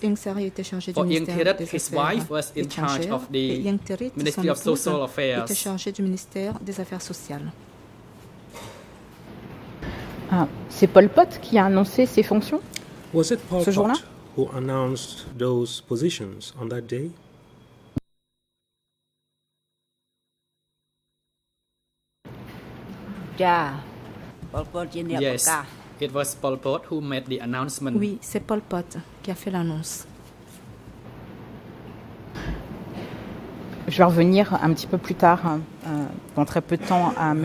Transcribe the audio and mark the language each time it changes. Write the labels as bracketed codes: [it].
[fr] Yeng Sari était chargé du ministère des Affaires étrangères. [en] His wife was in charge of the Ministry of Social Affairs. [fr] Était chargé du ministère des Affaires sociales. Ah, c'est Pol Pot qui a annoncé ses fonctions. [en] Was it Pol [fr] ce jour-là? [en] Pot who announced those positions on that day? Yeah. Yes, it was Pol Pot who made the announcement. [fr] Oui, c'est Pol Pot qui a fait l'annonce. je vais revenir un petit peu plus tard, dans très peu de temps, à M.